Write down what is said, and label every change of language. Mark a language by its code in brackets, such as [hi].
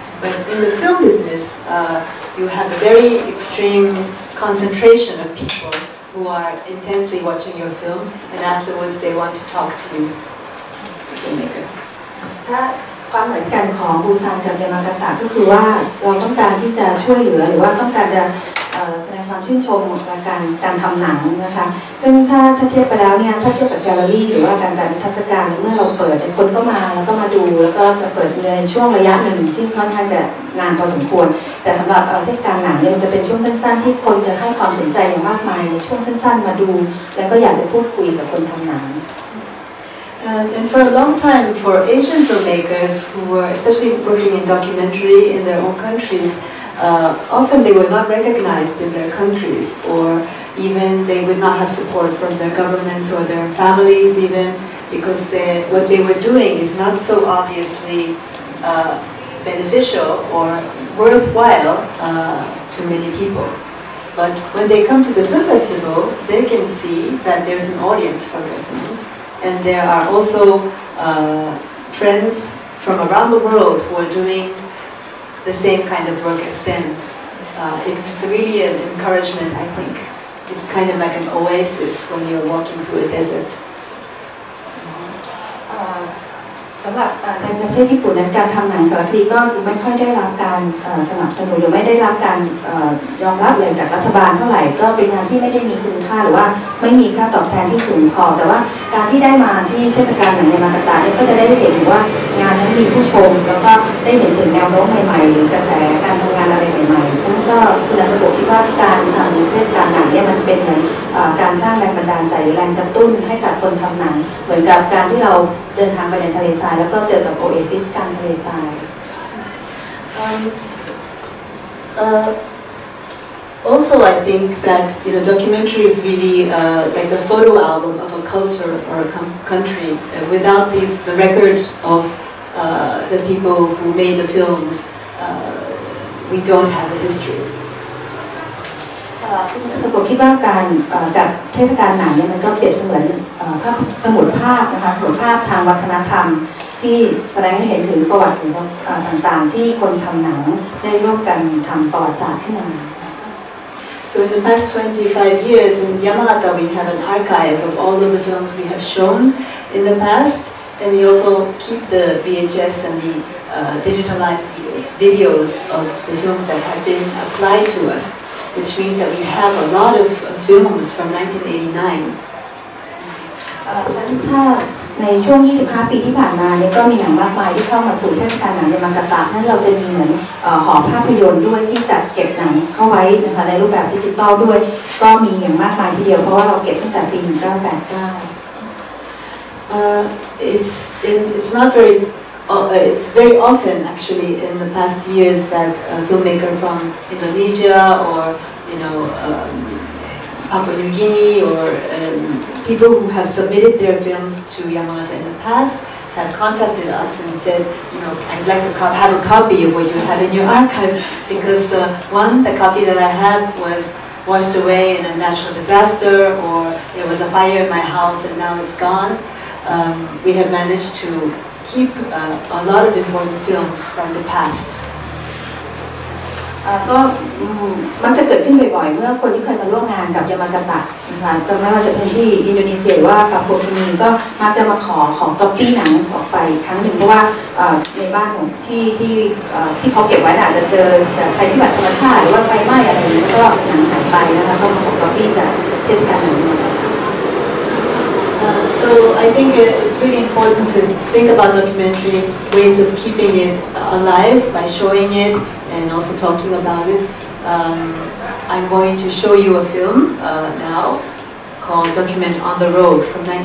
[en] But in the film business, you have a very extreme concentration of people who are intensely watching your film, and afterwards they want to talk to you, the filmmaker. [th] ความเหมือนกันของบูซานกับยามากาตะก็คือว่าเราต้องการที่จะช่วยเหลือหรือว่าต้องการจะแสดงความชื่นชมในการทำหนังนะคะซึ่งถ้าเทียบไปแล้วเนี่ยถ้าเทียบกับแกลเลอรี่หรือว่าการจัดนิทรรศการเมื่อเราเปิดคนก็มาแล้วก็มาดูแล้วก็จะเปิดในช่วงระยะหนึ่งที่ค่อนข้างจะนานพอสมควรแต่สำหรับเทศกาลหนังเนี่ยมันจะเป็นช่วงสั้นๆที่คนจะให้ความสนใจอย่างมากมายในช่วงสั้นๆมาดูแล้วก็อยากจะพูดคุยกับคนทำหนัง [en] And for a long time, for Asian filmmakers who were especially working in documentary in their own countries, often they were not recognized in their countries, or even they would not have support from their governments or their families even, because what they were doing is not so obviously beneficial or worthwhile to many people. But when they come to the film festival, they can see that there's an audience for their films. And there are also friends from around the world who are doing the same kind of work as them. It's really an encouragement, I think. It's kind of like an oasis when you're walking through a desert. [th] สำหรับในประเทศญี่ปุ่นนั้นการทำหนังสารคดีก็ไม่ค่อยได้รับการสนับสนุนหรือไม่ได้รับการยอมรับเลยจากรัฐบาลเท่าไหร่ก็เป็นงานที่ไม่ได้มีคุณค่าหรือว่าไม่มีค่าตอบแทนที่สูงพอแต่ว่าการที่ได้มาที่เทศกาลหนังในมาตาเนี่ยก็จะได้เห็นว่า งานนั้นมีผู้ชมแล้วก็ได้เห็นถึงแนวโน้มใหม่ๆหรือกระแสการทำงานอะไรใหม่ๆแล้วก็คุณอาสบุคิดว่าการทำเทศกาลหนังเนี่ยมันเป็นเหมือนการสร้างแรงบันดาลใจแรงกระตุ้นให้กับคนทำหนังเหมือนกับการที่เราเดินทางไปในทะเลทรายแล้วก็เจอกับโอเอซิสกลางทะเลทราย [en] Also, I think that you know, documentary is really like the photo album of a culture or a country. Without these, the record of the people who made the films, we don't have a history. [th] สกุลคิดว่าการจัดเทศกาลหนังเนี่ยมันก็เปรียบเสมือนภาพสมุดภาพนะคะสมุดภาพทางวัฒนธรรมที่แสดงให้เห็นถึงประวัติถึงต่างๆที่คนทำหนังได้ร่วมกันทำประวัติศาสตร์ขึ้นมา [en] So in the past 25 years in Yamagata, we have an archive of all of the films we have shown in the past, and we also keep the VHS and the digitalized videos of the films that have been applied to us, which means that we have a lot of films from 1989. [th] ในช่วง25ปีที่ผ่านมาเนี่ยก็มีหนังมากมายที่เข้ามาสู่เทศกาลหนังในมังกรตะนั้นเราจะมีเหมือนหอภาพยนตร์ด้วยที่จัดเก็บหนังเข้าไว้นะคะในรูปแบบดิจิตอลด้วยก็มีอย่างมากมายทีเดียวเพราะว่าเราเก็บตั้งแต่ปี1989 [en] it's not very it's very often actually in the past years that a filmmaker from Indonesia or you know Papua New Guinea or people who have submitted their films to Yamagata in the past have contacted us and said, you know, I'd like to have a copy of what you have in your archive because the copy that I have was washed away in a natural disaster or there was a fire in my house and now it's gone. We have managed to keep a lot of important films from the past. [th] ก็มันจะเกิดขึ้นบ่อยๆเมื่อคนที่เคยมาร่วมงานกับยามากาตะนะคะไม่ว่าจะเป็นที่อินโดนีเซียว่าปาปัวนิวกีนีก็มักจะมาขอของก๊อปปี้หนังออกไปครั้งหนึ่งเพราะว่าในบ้านของที่เขาเก็บไว้อาจจะเจอจากภัยพิบัติธรรมชาติหรือว่าไฟไหม้อะไรอย่างนี้ก็หนังหายไปนะคะก็มาขอก๊อปปี้จากเทศกาลหนัง [en] So I think it's really important to think about documentary ways of keeping it alive by showing it and also talking about it. I'm going to show you a film now called Document on the Road from